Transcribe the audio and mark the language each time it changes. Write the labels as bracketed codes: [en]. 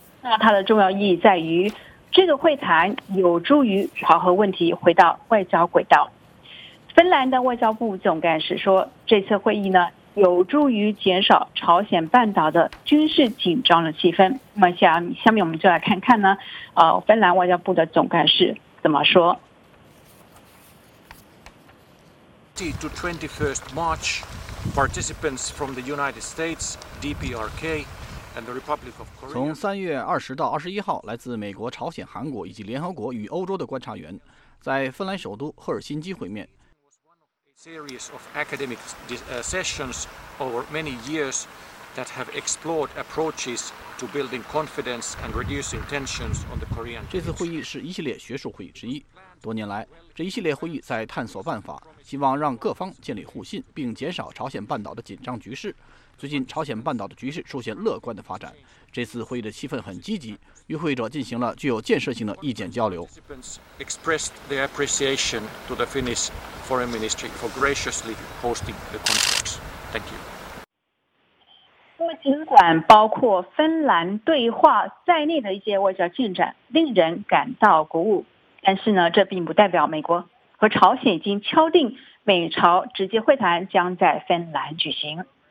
[zh] 那它的重要意义在于，这个会谈有助于朝核问题回到外交轨道。芬兰的外交部总干事说，这次会议呢，有助于减少朝鲜半岛的军事紧张的气氛。那么下面我们就来看看呢，芬兰外交部的总干事怎么说。 [en] To 21st March, participants from the United States, DPRK, and the Republic of Korea. [zh] 从三月二十到二十一号，来自美国、朝鲜、韩国以及联合国与欧洲的观察员，在芬兰首都赫尔辛基会面。 [en] Series of academic sessions over many years that have explored approaches to building confidence and reducing tensions on the Korean. [zh] 这次会议是一系列学术会议之一。多年来，这一系列会议在探索办法，希望让各方建立互信，并减少朝鲜半岛的紧张局势。最近，朝鲜半岛的局势出现乐观的发展。这次会议的气氛很积极，与会者进行了具有建设性的意见交流。 [en] Expressed their appreciation to the Finnish Foreign Ministry for graciously hosting the conference. Thank you. [zh] 那么，尽管包括芬兰对话在内的一些外交进展令人感到鼓舞，但是呢，这并不代表美国和朝鲜已经敲定美朝直接会谈将在芬兰举行。